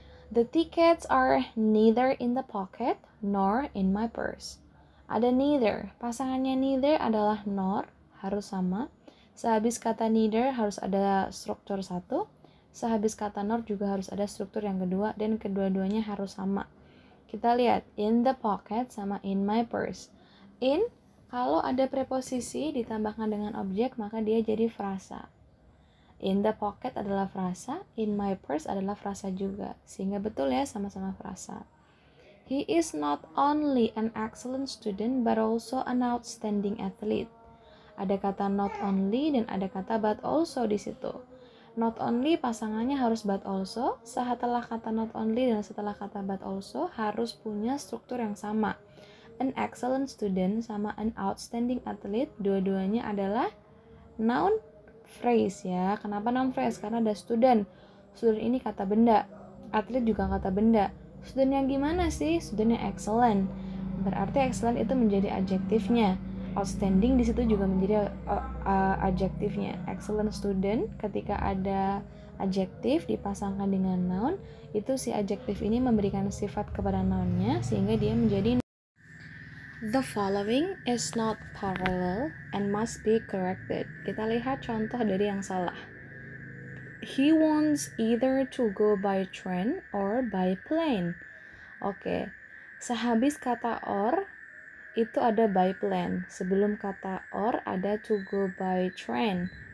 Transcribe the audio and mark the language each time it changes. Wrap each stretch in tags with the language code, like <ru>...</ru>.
<en>The tickets are neither in the pocket nor in my purse.</en> <id>Ada neither. Pasangannya neither adalah nor, harus sama. Sehabis kata neither harus ada struktur satu. Sehabis kata nor juga harus ada struktur yang kedua, dan kedua-duanya harus sama. Kita lihat</id> <en>in the pocket</en> <id>sama</id> <en>in my purse.</en> <id>In, kalau ada preposisi ditambahkan dengan objek, maka dia jadi frasa.</id> <en>In the pocket</en> <id>adalah frasa,</id> <en>in my purse</en> <id>adalah frasa juga. Sehingga betul ya, sama-sama frasa.</id> <en>He is not only an excellent student, but also an outstanding athlete.</en> <id>Ada kata not only dan ada kata but also di situ. Not only pasangannya harus but also. Setelah kata not only dan setelah kata but also harus punya struktur yang sama.</id> <en>An excellent student</en> <id>sama</id> <en>an outstanding athlete,</en> <id>dua-duanya adalah noun phrase ya. Kenapa noun phrase? Karena ada student. Student ini kata benda. Athlete juga kata benda. Student yang gimana sih? Student yang excellent. Berarti excellent itu menjadi adjektifnya. Outstanding di situ juga menjadi adjektifnya. Excellent student, ketika ada adjektif dipasangkan dengan noun, itu si adjektif ini memberikan sifat kepada nounnya, sehingga dia menjadi.</id> <en>The following is not parallel and must be corrected.</en> <id>Kita lihat contoh dari yang salah.</id> <en>He wants either to go by train or by plane.</en> <id>Oke, sehabis kata or itu ada</id> <en>by plane.</en> <id>Sebelum kata or ada</id> <en>to go by train.</en>